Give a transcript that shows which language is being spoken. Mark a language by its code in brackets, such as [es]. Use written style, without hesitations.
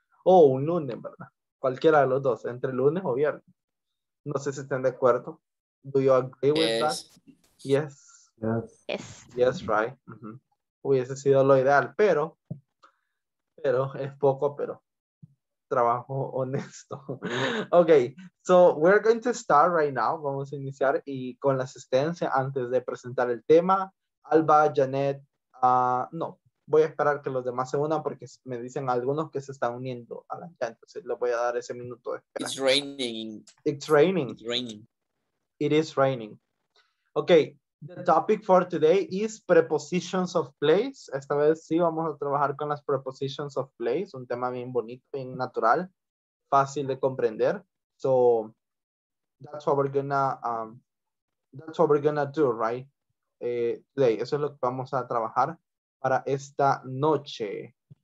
[es] O un lunes, ¿verdad? Cualquiera de los dos, entre lunes o viernes. No sé si estén de acuerdo. [en] Do you agree with that? Yes. Yes. Yes, right. Uh-huh. [es] Hubiese sido lo ideal, pero es poco, pero trabajo honesto. [en] Okay, so we're going to start right now. [es] Vamos a iniciar y con la asistencia antes de presentar el tema. Alba, Janet, no, voy a esperar que los demás se unan porque me dicen algunos que se están uniendo a la chat. Entonces les voy a dar ese minuto de espera. [en] It's raining. It is raining. Okay, the topic for today is prepositions of place. [es] Esta vez sí vamos a trabajar con las prepositions of place, un tema bien bonito, bien natural, fácil de comprender. [en] So that's what we're gonna do, right? [es] Today, eso es lo que vamos a trabajar para esta noche.